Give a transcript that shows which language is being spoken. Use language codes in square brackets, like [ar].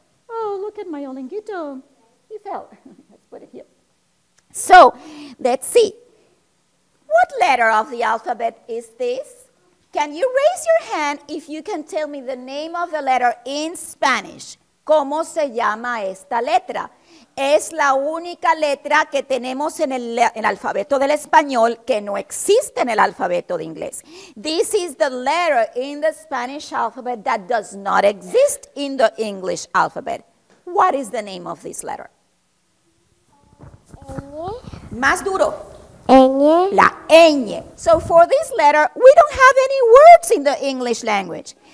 [en] Oh, look at my olinguito. He fell. Let's put it here. So, let's see. What letter of the alphabet is this? Can you raise your hand if you can tell me the name of the letter in Spanish? [es] ¿Cómo se llama esta letra? Es la única letra que tenemos en el alfabeto del español que no existe en el alfabeto de inglés. [en] This is the letter in the Spanish alphabet that does not exist in the English alphabet. What is the name of this letter? [es] ¿Ella? Más duro. Ñ. La Ñ. [en] So for this letter, we don't have any words in the English language.